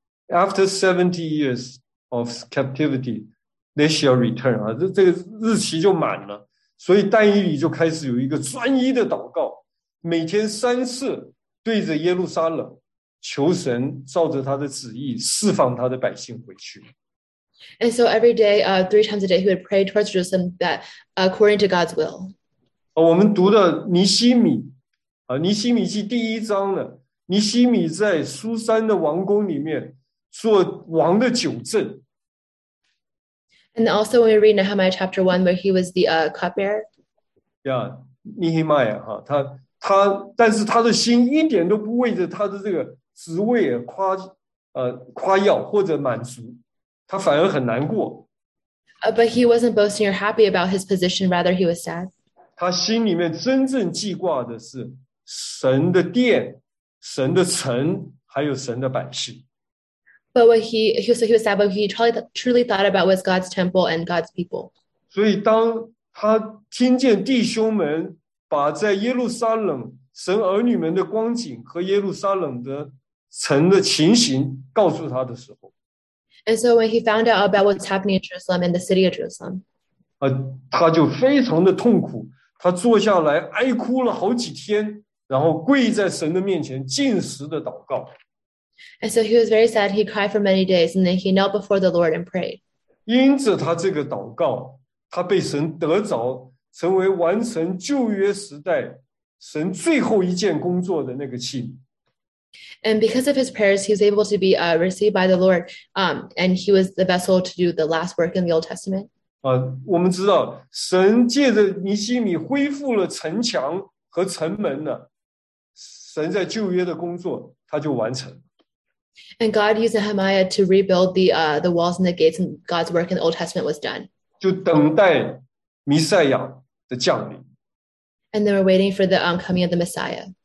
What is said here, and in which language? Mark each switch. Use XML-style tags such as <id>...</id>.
<en>After 70 years of captivity, they shall return.</en> <zh>这个日期就满了，所以但以理就开始有一个专一的祷告，每天三次对着耶路撒冷求神照着他的旨意释放他的百姓回去。</zh> <en>And so every day, three times a day, he would pray towards Jerusalem that according to God's will.</en> <zh>我们读的尼希米记第一章呢，尼希米在苏珊的王宫里面做王的酒政。</zh> <en>And also when we read Nehemiah chapter 1, where he was the cupbearer. Yeah,</en> <zh>Nehemiah, 他但是他的心一点都不为着他的这个职位夸耀或者满足，他反而很难过。</zh> <en>But he wasn't boasting or happy about his position, rather he was sad.</en> <zh>他心里面真正记挂的是神的殿、神的城，还有神的百姓。</zh> <en>But what he was sad, but he truly thought about was God's temple and God's people.</en> <zh>所以当他听见弟兄们把在耶路撒冷神儿女们的光景和耶路撒冷的城的情形告诉他的时候。</zh> <en>And so when he found out about what's happening in Jerusalem and the city of Jerusalem.</en> <zh>他就非常的痛苦，他坐下来哀哭了好几天，然后跪在神的面前禁食的祷告。</zh> <en>And so he was very sad, he cried for many days, and then he knelt before the Lord and prayed.</en> <zh>因着他这个祷告，他被神得着，成为完成旧约时代神最后一件工作的那个器皿。</zh> <en>And because of his prayers, he was able to be received by the Lord, and he was the vessel to do the last work in the Old Testament.</en> <zh>我们知道神借着尼希米恢复了城墙和城门呢，神在旧约的工作他就完成。</zh> <en>And God used Nehemiah to rebuild the walls and the gates, and God's work in the Old Testament was done.</en> <zh>就等待弥赛亚的降临。</zh> <en>And they were waiting for the coming of the Messiah.</en>